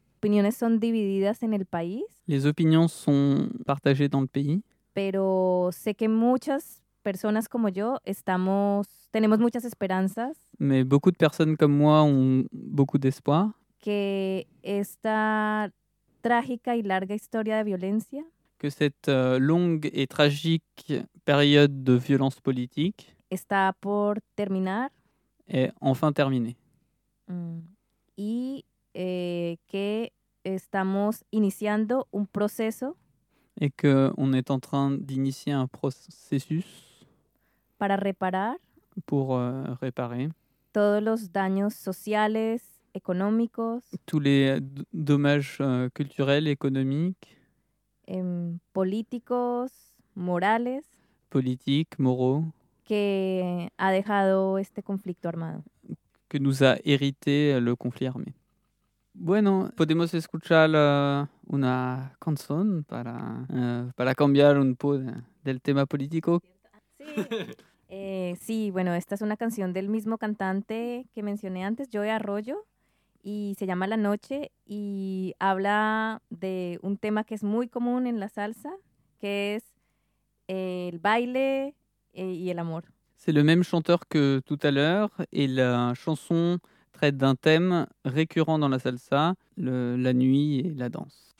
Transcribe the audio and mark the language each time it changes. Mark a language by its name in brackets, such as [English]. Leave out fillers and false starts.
[Spanish] Opiniones son divididas en el país, [French] Les opinions sont partagées dans le pays. [Spanish] pero sé que muchas personas como yo estamos, tenemos muchas esperanzas [French] Mais beaucoup de personnes comme moi ont beaucoup d'espoir [Spanish] que esta trágica y larga historia de violencia [French] que cette longue et tragique période de violence politique [Spanish] está por terminar [French] est enfin terminée. [Spanish] y que estamos iniciando un proceso [French] Et qu'on est en train d'initier un processus [Spanish] para reparar [French] pour réparer. [Spanish] todos los daños sociales, económicos, [French] Tous les dommages culturels, économiques, [Spanish] políticos, morales, [French] politiques, moraux, [Spanish] que ha dejado este conflicto armado. [French] que nous a hérité le conflit armé. [Spanish] Bueno, podemos escuchar una canción para cambiar un poco del tema político. Sí, bueno, esta es una canción del mismo cantante que mencioné antes, Joe Arroyo, y se llama La Noche, y habla de un tema que es muy común en la salsa, que es el baile y el amor. [French] C'est le même chanteur que tout à l'heure et la chanson traite d'un thème récurrent dans la salsa, la nuit et la danse.